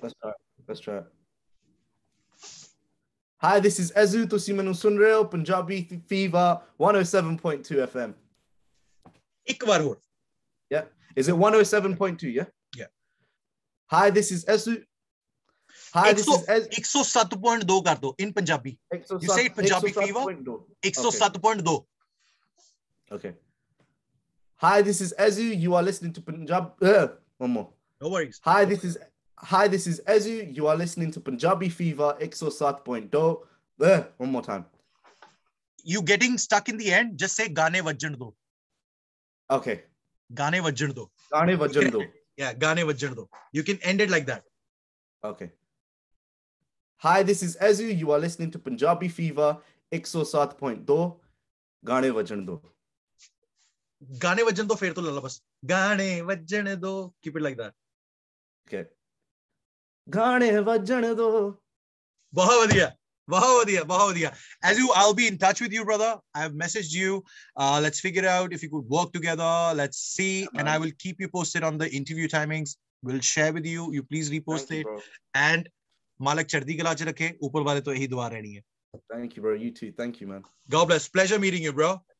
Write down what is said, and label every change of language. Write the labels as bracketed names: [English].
[English] let's try hi this is [Punjabi] EZU तुसी मेनू सुन रहे हो पंजाबी फीवर 107.2 FM [Hindi] एक बार और [English] या is it 107.2 या hi this is EZU Hi, this is EZU. You are listening to Punjabi. One more. No worries. Hi, this is EZU. You are listening to Punjabi Fever. 107.2. One more time. You getting stuck in the end? Just say Gaane Vajjan Do. Okay. Gaane Vajjan Do. Gaane Vajjan Do. Yeah, Gaane Vajjan Do. You can end it like that. Okay. Hi, this is EZU. You are listening to Punjabi Fever 107.2. Gaane Vajjan Do. Gaane Vajjan Do, fair to lala bas. Gaane Vajjan Do. Keep it like that. Okay. Gaane Vajjan Do. [Hindi] Bahut badhiya. [English] EZU, I'll be in touch with you, brother. I have messaged you. Let's figure out if you could work together. Let's see. And I will keep you posted on the interview timings. We'll share with you. You please repost Thank it. You, bro. [Punjabi] And मालक चढ़ती गला च रखे ऊपर वाले तो यही दुआ रहनी है [English] thank you bro you too thank you man God bless pleasure meeting you bro